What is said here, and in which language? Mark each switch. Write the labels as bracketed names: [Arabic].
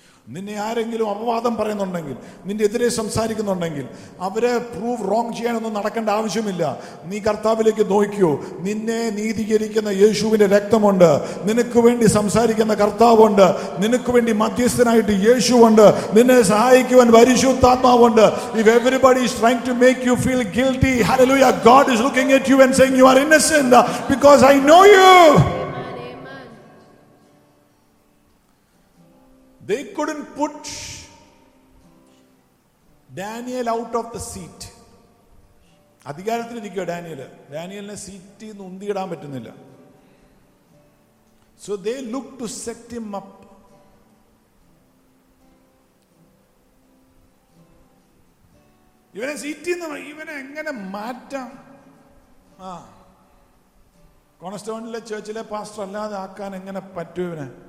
[Malayalam] നിന്നെ ആരെങ്കിലും അപവാദം പറയുന്നുണ്ടെങ്കിൽ, നിന്റെ എതിരെ സംസാരിക്കുന്നുണ്ടെങ്കിൽ, അവരെ [English] prove wrong [Malayalam] ചെയ്യാനൊന്നും നടക്കേണ്ട ആവശ്യമില്ല. നീ കർത്താവിലേക്ക് നോക്കിയോ, നിന്നെ നീതീകരിക്കുന്ന യേശുവിന്റെ രക്തമുണ്ട്, നിനക്ക് വേണ്ടി സംസാരിക്കുന്ന കർത്താവുണ്ട്, നിനക്ക് വേണ്ടി മധ്യസ്ഥനായിട്ട് യേശുവുണ്ട്, നിന്നെ സഹായിക്കുവാൻ പരിശുദ്ധാത്മാവുണ്ട്. [English] If everybody is trying to make you feel guilty, hallelujah, God is looking at you and saying, you are innocent because I know you. They couldn't put Daniel out of the seat. [Malayalam] അധികാരത്തിൽ ഇരിക്കുക Daniel, ഡാനിയലിനെ സീറ്റിൽ നിന്ന് ഉന്തിയിടാൻ പറ്റുന്നില്ല. [English] So they looked to set him up. [Malayalam] ഇവനെ സീറ്റിൽ നിന്ന് ഇവനെ എങ്ങനെ മാറ്റാം? ആ കോണസ്റ്റോണിലെ ചേർച്ചിലെ പാസ്റ്റർ അല്ലാതെ ആക്കാൻ എങ്ങനെ പറ്റും ഇവനെ?